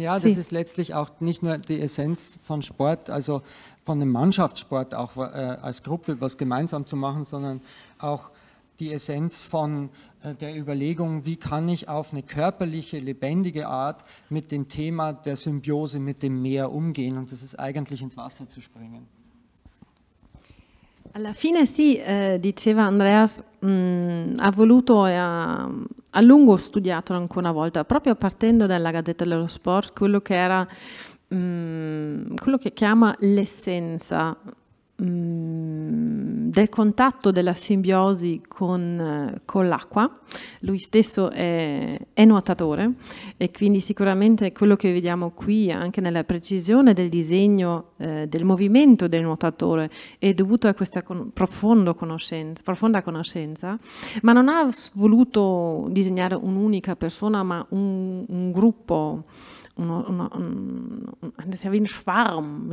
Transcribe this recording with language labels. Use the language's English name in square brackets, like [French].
[German] Ja, das ist letztlich auch nicht nur die Essenz von Sport, also von dem Mannschaftssport auch als Gruppe was gemeinsam zu machen, sondern auch die Essenz von der Überlegung, wie kann ich auf eine körperliche, lebendige Art mit dem Thema der Symbiose mit dem Meer umgehen, und das ist eigentlich ins Wasser zu springen. [Italian] Alla fine sì, diceva Andreas, ha voluto e ha a lungo studiato ancora una volta, proprio partendo dalla Gazzetta dello Sport, quello che era quello che chiama l'essenza del contatto, della simbiosi con l'acqua. Lui stesso è nuotatore e quindi sicuramente quello che vediamo qui anche nella precisione del disegno del movimento del nuotatore è dovuto a questa profonda conoscenza, ma non ha voluto disegnare un'unica persona ma un gruppo. [German] Das ist ja wie ein Schwarm.